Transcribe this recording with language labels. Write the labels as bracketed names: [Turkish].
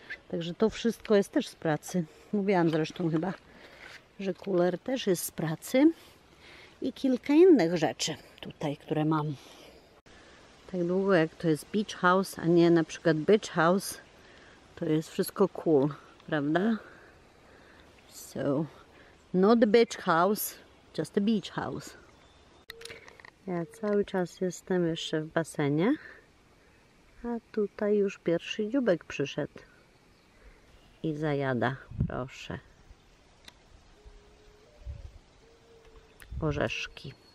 [Polish] Także to wszystko jest też z pracy. Mówiłam zresztą chyba, że kuler też jest z pracy. I kilka innych rzeczy tutaj, które mam. Tak długo jak to jest beach house, a nie na przykład beach house, to jest wszystko cool, prawda? [English] So, not beach house, just a beach house. [Polish] Ja cały czas jestem jeszcze w basenie, a tutaj już pierwszy dzióbek przyszedł i zajada, proszę. Orzeszki.